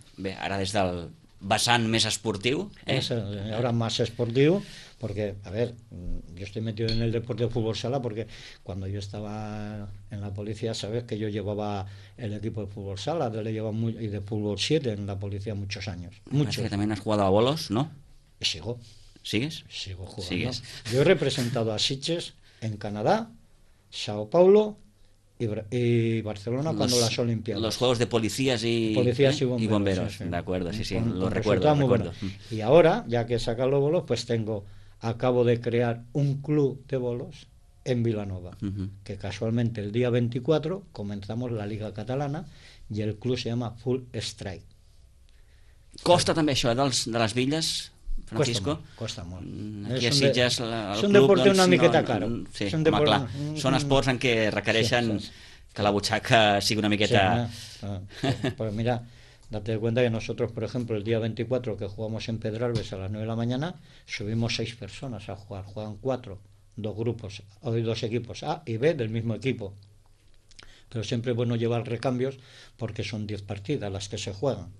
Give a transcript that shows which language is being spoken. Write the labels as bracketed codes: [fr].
[ca] Bé, ara des del vessant més esportiu, [es] Ahora más esportivo, porque a ver, yo estoy metido en el deporte de fútbol sala porque cuando yo estaba en la policía, sabes que yo llevaba el equipo de fútbol sala, le llevo muy, y de fútbol 7 en la policía muchos años. Muchos. Que también has jugado a bolos, ¿no? Sigo. ¿Sigues? Sigo jugando. ¿Sigues? Yo he representado a Sitges en Canadá, Sao Paulo y Barcelona cuando las Olimpiadas. Los juegos de policías y, bomberos. Y bomberos. Sí, sí. De acuerdo, sí, sí, lo recuerdo. Bueno. Y ahora, ya que saca los bolos, pues tengo, acabo de crear un club de bolos en Vilanova, que casualmente el día 24 comenzamos la Liga Catalana y el club se llama Full Strike. ¿Costa también eso, de las villas? Francisco, [ca] costa molt. Aquí a Sitges, són deportes una miqueta caro. Sí, són deportes, clar, són esports en què requereixen que la butxaca sigui una miqueta... [es] Pues mira, date cuenta que nosotros, por ejemplo, el día 24 que jugamos en Pedralbes a las 9 de la mañana, subimos 6 personas a jugar. Juegan 4, dos grupos, hoy dos equipos, A y B del mismo equipo. Pero siempre es bueno llevar recambios porque son 10 partidas las que se juegan.